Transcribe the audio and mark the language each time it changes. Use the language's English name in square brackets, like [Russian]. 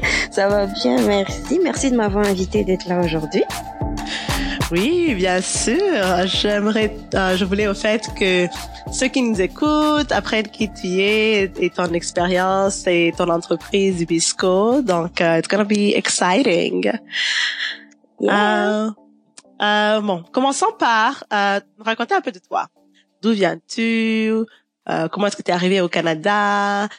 [French] Ça va bien, merci. Merci de m'avoir invité d'être là aujourd'hui. Oui, bien sûr. Je voulais au fait que ceux qui nous écoutent apprennent qui tu es et ton expérience et ton entreprise Ibisco. [English] Donc, it's gonna be exciting. Yeah. [French] Bon, commençons par raconter un peu de toi. D'où viens-tu? Comment est-ce que tu es arrivée au Canada?